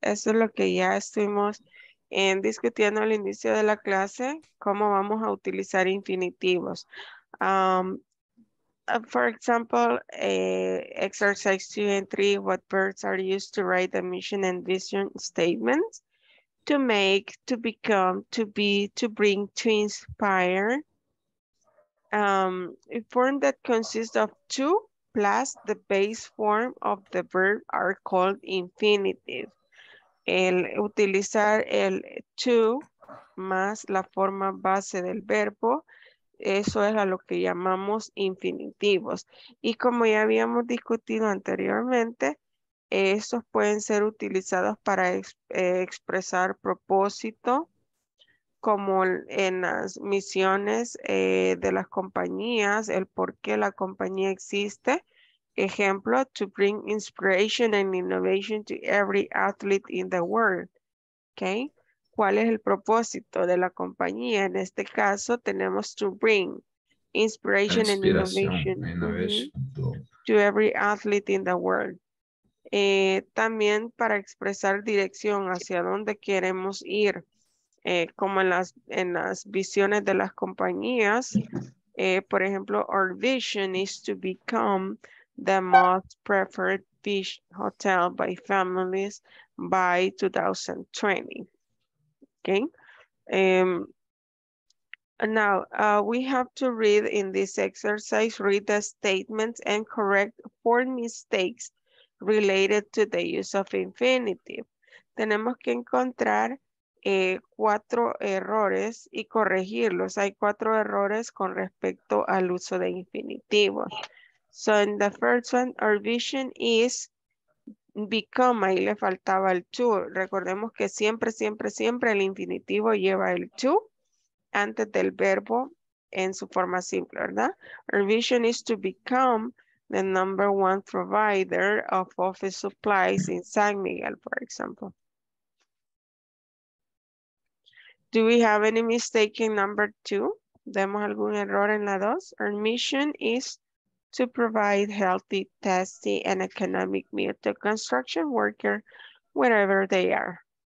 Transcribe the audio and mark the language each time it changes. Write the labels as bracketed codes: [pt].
[es] Eso es lo que ya estuvimos discutiendo al inicio de la clase, cómo vamos a utilizar infinitivos. [en] For example, exercise 2 and 3, what verbs are used to write the mission and vision statements? To make, to become, to be, to bring, to inspire. A form that consists of 2 plus the base form of the verb are called infinitive. [es] El utilizar el to más la forma base del verbo, eso es a lo que llamamos infinitivos. Y como ya habíamos discutido anteriormente, estos pueden ser utilizados para expresar propósito, como en las misiones de las compañías, el por qué la compañía existe. Ejemplo, [en] to bring inspiration and innovation to every athlete in the world. Okay. [es] ¿Cuál es el propósito de la compañía? En este caso, tenemos [en] to bring inspiration and innovation, to every athlete in the world. [es] También para expresar dirección hacia dónde queremos ir, como en las visiones de las compañías. Por ejemplo, [en] our vision is to become the most preferred beach hotel by families by 2020. Okay. We have to read in this exercise, read the statements and correct four mistakes related to the use of infinitive. [es] Tenemos que encontrar cuatro errores y corregirlos. Hay cuatro errores con respecto al uso de infinitivo. [en] So in the first one, our vision is become, [es] ahí le faltaba el to. Recordemos que siempre, siempre, siempre el infinitivo lleva el to antes del verbo en su forma simple, ¿verdad? [en] Our vision is to become the number one provider of office supplies in San Miguel, for example. Do we have any mistake in number two? [es] ¿Demos algún error en la dos? [en] Our mission is to provide healthy, tasty, and economic meal to construction worker wherever they are.